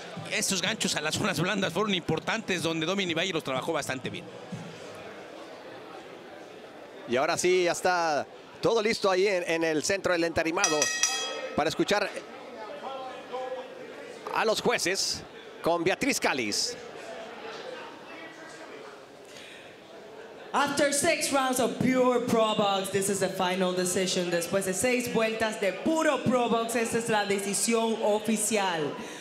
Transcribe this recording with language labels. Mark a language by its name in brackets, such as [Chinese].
[Spanish] Estos ganchos a las zonas blandas fueron importantes, donde Dominic Valle los trabajó bastante bien. Y ahora sí, ya está todo listo ahí en el centro del entarimado para escuchar a los jueces con Beatriz Cáliz. [English] After six rounds of pure Pro Box, this is the final decision. [Spanish] Después de seis vueltas de puro Pro Box, esta es la decisión oficial.